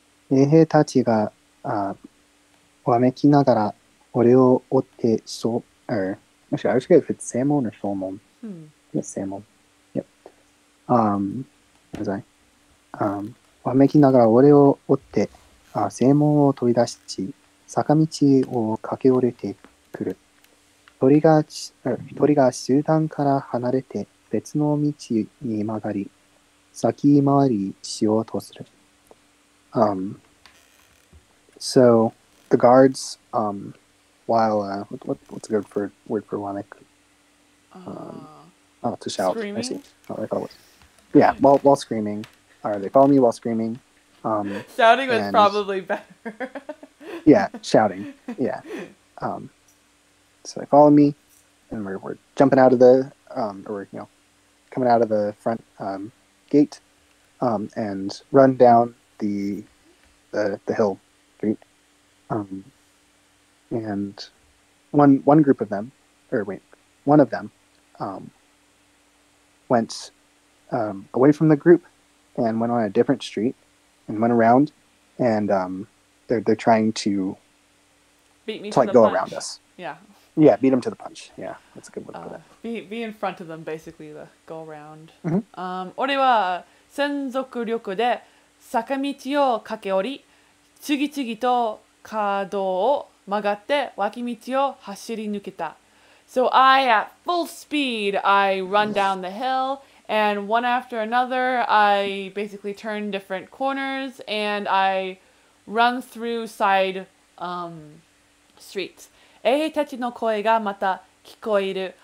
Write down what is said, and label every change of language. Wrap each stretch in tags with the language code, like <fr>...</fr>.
<ja>衛兵たちがわめきながら俺を追ってそう。</ja> <en>Actually, I was curious if it's Samon or Solmon. Hmm. Yes, Samon. Yep.</en> <ja>わめきながら俺を追って、正門を飛び出し、坂道を駆け下りてくる。鳥が集団から離れて別の道に曲がり、先回りしようとする。</ja> <en>So, the guards, while, what's a good word for Wamek? To shout. Screaming? I see. Oh, I thought it was. Yeah, while screaming. Or they follow me while screaming. Shouting was and, probably better. Yeah, shouting. Yeah. So they follow me, and we're jumping out of the, or we're, you know, coming out of the front gate and run down the hill street. And one group of them, or wait, one of them, went away from the group and went on a different street and went around, and they're trying to beat me to like the go punch. Around us. Yeah. Yeah, beat them to the punch. Yeah, that's a good word for that. Be in front of them, basically, the go around. Mm-hmm.</en> <ja>俺は専属力で坂道を駆け下り、次々と角を曲がって脇道を走り抜けた。</ja> <en>So I, at full speed, I run down the hill, and one after another, I basically turn different corners, and I run through side streets.</en> <ja>衛兵たちの声がまた聞こえる。</ja>